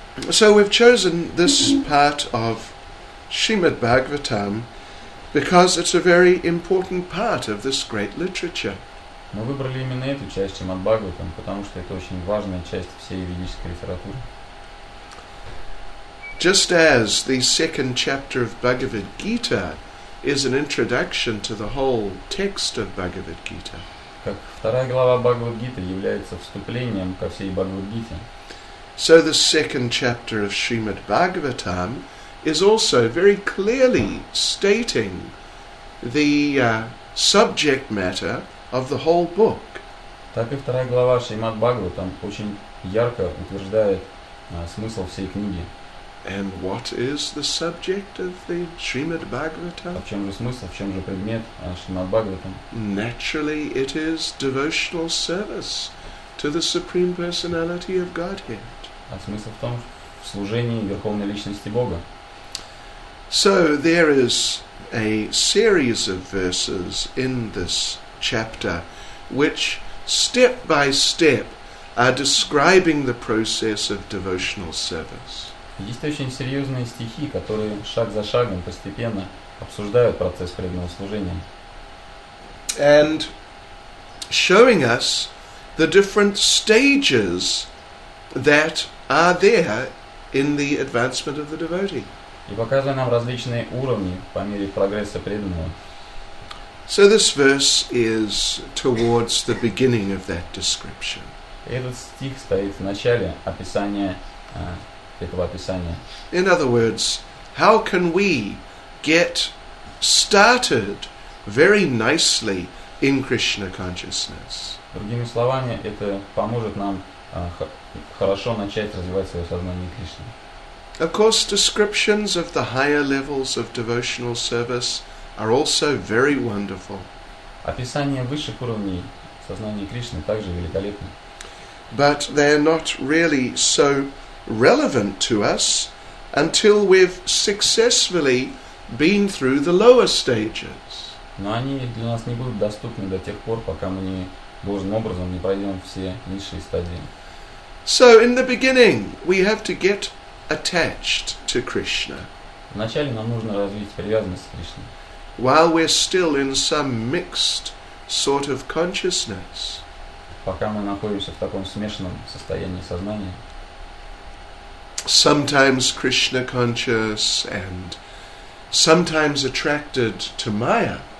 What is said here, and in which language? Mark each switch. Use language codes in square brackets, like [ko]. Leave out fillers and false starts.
[en] So we've chosen this part of Srimad Bhagavatam because it's a very important part of this great literature. [ru] Мы выбрали именно эту часть Шримад Бхагаватам, потому что это очень важная часть всей ведической литературы. [en] Just as the second chapter of Bhagavad Gita is an introduction to the whole text of Bhagavad Gita. [ru] Как вторая глава Бхагавад Гиты является вступлением ко всей Бхагавад Гите. [en] So the second chapter of Srimad Bhagavatam is also very clearly stating the subject matter of the whole book. [ru] Так и вторая глава Шримад Бхагаватам очень ярко утверждает смысл всей книги. [en] And what is the subject of the Srimad Bhagavatam? [ru] А в чем же смысл, в чем же предмет Шримад Бхагаватам? [en] Naturally, it is devotional service to the Supreme Personality of Godhead. [ru] А смысл в том, в служении Верховной Личности Бога. [en] So there is a series of verses in this chapter which step by step are describing the process of devotional service. [ru] Есть очень серьезные стихи, которые шаг за шагом постепенно обсуждают процесс преданного служения. [en] And showing us the different stages that are there in the advancement of the devotee. [ru] И показывает нам различные уровни по мере прогресса преданного. [en] So this verse is towards the beginning of that description. [ru] Этот стих стоит в начале описания этого описания. [en] In other words, how can we get started very nicely in Krishna consciousness? [ru] Другими словами, это поможет нам хорошо начать развивать свое сознание Кришны. [en] Of course, descriptions of the higher levels of devotional service are also very wonderful. [ru] Описание высших уровней сознания Кришны также великолепно. [en] But they are not really so relevant to us until we've successfully been through the lower stages. [ru] Но они для нас не будут доступны до тех пор, пока мы не должным образом не пройдем все низшие стадии. [en] So in the beginning we have to get attached to Krishna. [ru] Вначале нам нужно развить привязанность к Кришне. [en] While we're still in some mixed sort of consciousness. [ru] Пока мы находимся в таком смешанном состоянии сознания. [en] Sometimes Krishna conscious and sometimes attracted to Maya.